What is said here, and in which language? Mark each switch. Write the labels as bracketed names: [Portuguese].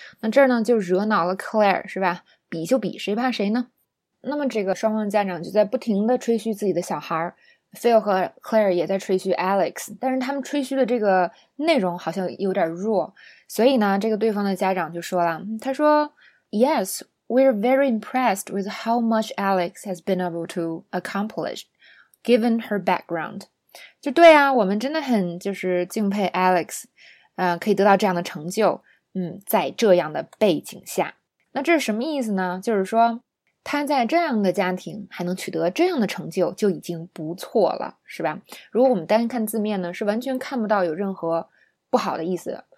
[Chinese] 那这儿呢就惹恼了 Claire 是吧？比就比，谁怕谁呢？那么这个双方家长就在不停地吹嘘自己的小孩，Phil 和 Claire 也在吹嘘 Alex，但是他们吹嘘的这个内容好像有点弱，所以呢，这个对方的家长就说了，他说：“Yes。” [English] We're very impressed with how much Alex has been able to accomplish, given her background. [Chinese] 就对啊，我们真的很就是敬佩 Alex，可以得到这样的成就。在这样的背景下，那这是什么意思呢？就是说他在这样的家庭还能取得这样的成就，就已经不错了，是吧？如果我们单看字面呢，是完全看不到有任何不好的意思。